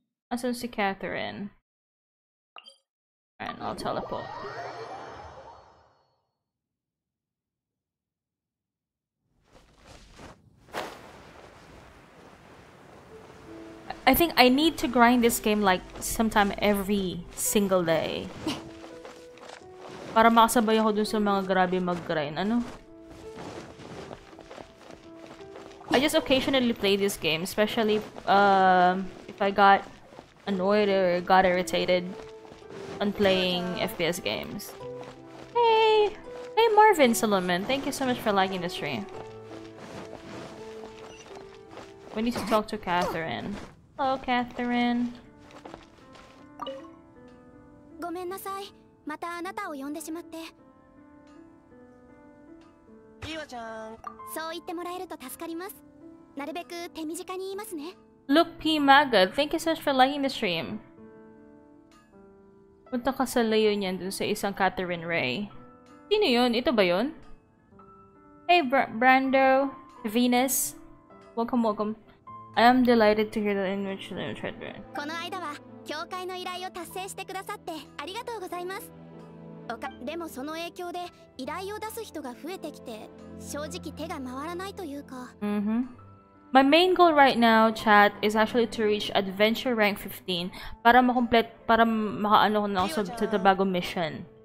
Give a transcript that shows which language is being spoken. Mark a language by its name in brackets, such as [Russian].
[English] Listen to Catherine. And I'll teleport. I think I need to grind this game like sometime every single day. [Filipino] Para makasabay ako dun sa mga grabe mag-grind, ano? [English] I just occasionally play this game, especially if I got annoyed or got irritated on playing FPS games. Hey! Hey Marvin Solomon, thank you so much for liking the stream. We need to talk to Catherine. Hello, Catherine. Look, P Maga, thank you so much for liking the stream. [Filipino] Punta ka sa layo niya dun sa isang Catherine Ray. Sino yun? Ito ba yun? [English] Hey, [Filipino] Brando, Venus, [English] welcome, welcome. I am delighted to hear the enriched and treasure. [Japanese] この間は教会の依頼を達成してくださってありがとうございます。でもその影響で依頼を出す人が増えてきて正直手が回らないというか。 [English] Mm-hmm. My main goal right now, chat, is actually to reach adventure rank 15 [Filipino] para makomplete, para makaano ko na ako sa tabago mission.